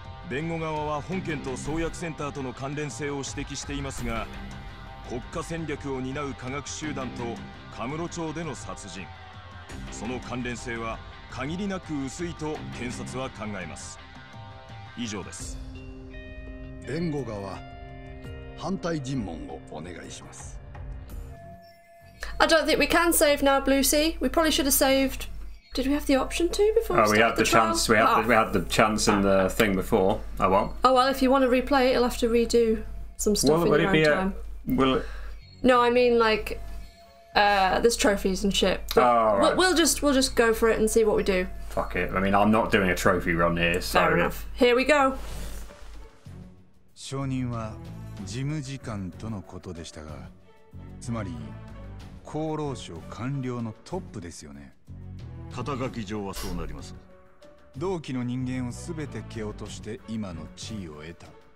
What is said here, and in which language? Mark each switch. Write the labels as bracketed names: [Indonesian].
[Japanese] 弁護側は本件と創薬センターとの関連性を指摘していますが、国家戦略を担う科学集団と神室町での殺人、その関連性は限りなく薄いと検察は考えます。以上です。弁護側、反対尋問をお願いします。 [English] I don't think we can save now, Blue Sea. We probably should have savedDid we have the option to before we started the trial? We had, we had the chance in the thing before. Oh well. Oh well, if you want to replay it, you'll have to redo some stuff in your own time. Will it? No, I mean like, there's trophies and shit. Oh, right. We'll just go for it and see what we do. Fuck it. I mean, I'm not doing a trophy run here, so. Fair enough. Here we go. [Japanese] 証人は事務次官とのことでしたが、つまり厚労省官僚のトップですよね。肩書き上はそうなります。同期の人間を全て蹴落として今の地位を得た。